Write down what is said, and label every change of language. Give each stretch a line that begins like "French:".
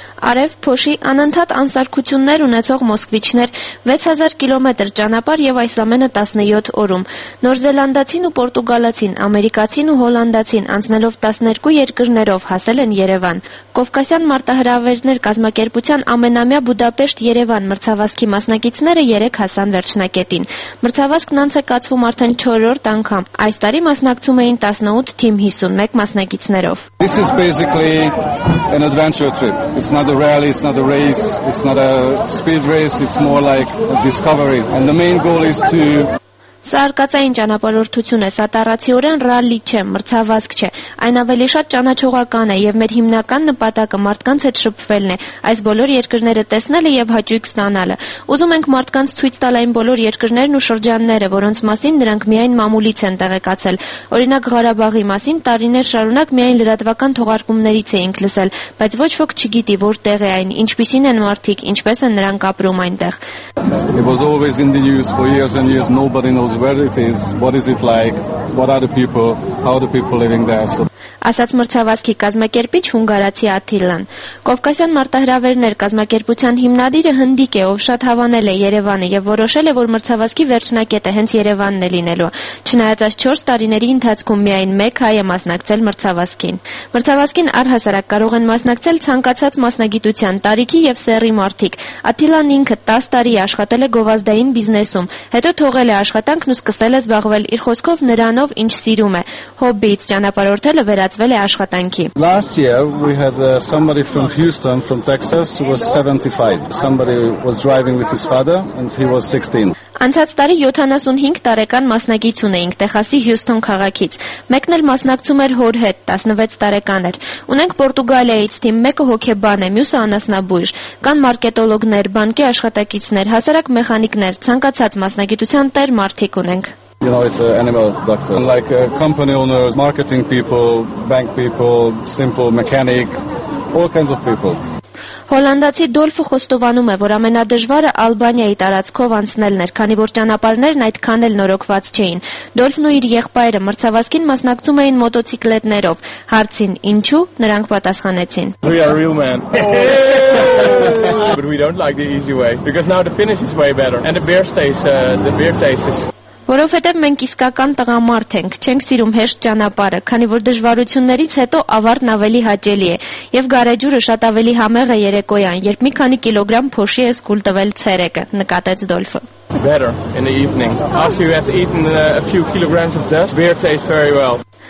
Armenian: Արև փոշի անընդհատ անսարքություններ ունեցող մոսկվիչներ 6000 կիլոմետր ճանապարհ եւ այս ամենը 17 օրում։ Նոր Զելանդացին ու Պորտուգալացին, Ամերիկացին ու Հոլանդացին անցնելով 12 երկրներով հասել են Երևան։ Կովկասյան մարտահրավերներ կազմակերպության ամենամյա Բուդապեշտ-Երևան մրցավազքի մասնակիցները 3 հասան վերջնակետին։ Մրցավազքն անցկացվում արդեն 4-րդ անգամ։ Այս տարի մասնակցում էին 18 թիմ 51 մասնակիցներով։
English: This is basically an adventure trip. It's not a rally, it's not a race, it's not a speed race, it's more like a discovery. And the main goal is to...
Armenian: Սարկածային ճանապարհորդություն է, սա տարածիորեն ռալի չէ, մրցավազք չէ, այն ավելի շատ ճանաչողական է եւ մեր հիմնական նպատակը մարդկանց հետ շփվելն է, այս բոլոր երկրները տեսնելը եւ հաճույք ստանալը։ Ուզում ենք մարդկանց ցույց տալ այն բոլոր երկրներն ու շրջանները, որոնց մասին նրանք միայն մամուլից են տեղեկացել։ Օրինակ Ղարաբաղի մասին տարիներ շարունակ միայն լրատվական թողարկումներից էինք լսել, բայց ոչ ոք չգիտի, որտեղ է այն, ինչպիսին են մարդիկ, ինչպես են նրանք ապրում այնտեղ։
English: Knows where it is, what is it like, what are the people, how are the people living there. So
Armenian: Ասաց մրցավազքի կազմակերպիչ հունգարացի Աթիլան։ Կովկասյան մարտահրավերներ կազմակերպության հիմնադիրը հնդիկ է, ով շատ հավանել է Երևանը եւ որոշել է, որ մրցավազքի վերջնակետը հենց Երևանն է լինելու։ Չնայած այս 4 տարիների ընթացքում միայն 1 հայ է մասնակցել մրցավազքին։ Մրցավազքին առհասարակ կարող են մասնակցել ցանկացած մասնագիտության տարիքի եւ սեռի մարդիկ։ Աթիլան ինքը 10 տարի աշխատել է գովազդային բիզնեսում, հետո թողել է աշխատանքն ու սկսել է զբաղվել իր խոսքով նրանով, ինչ սիրում է՝ հոբբիից ճանապարհորդել վերածվել է աշխատանքի։
English: Last year we had somebody from Houston from Texas who was 75. Somebody was driving with his father and he was 16.
Armenian: Անցած տարի 75 տարեկան մասնակից ունեինք Տեխասի Հյուստոն քաղաքից։ Մեկն էլ մասնակցում էր հոր հետ, 16 տարեկան էր։ Ունենք Պորտուգալիայից թիմ, մեկը հոկեբան է, մյուսը անասնաբույժ, կան մարկետոլոգներ, բանկի աշխատակիցներ, հասարակ մեխանիկներ, ցանկացած մասնագիտության տեր մարդիկ ունենք։
English: You know, it's an animal doctor. And like company owners, marketing people, bank people, simple mechanic, all kinds of people.
Armenian: Հոլանդացի Դոլֆը խոստովանում է, որ ամենադժվարը Ալբանիայի տարածքով անցնելն էր, քանի որ ճանապարհներն այդքան էլ նորոգված չէին։ Դոլֆն ու իր եղբայրը մրցավազքին մասնակցում էին մոտոցիկլետներով։ Հարցին՝ ինչու՞, նրանք պատասխանեցին.
English: We are real men. But we don't like the easy way because now the finish is way better and the beer tastes
Armenian: Որովհետև մենք իսկական տղամարդ ենք, չենք սիրում հեշտ ճանապարհը, քանի որ դժվարություններից հետո ավարտն ավելի հաճելի է, եւ գարեջուրը շատ ավելի համեղ է երեկոյան, երբ մի քանի կիլոգրամ փոշի ես կուլ տվել ցերեկը, նկատեց Դոլֆը։
English: Better in the evening. After you have eaten a few kilograms of dust, beer tastes very well.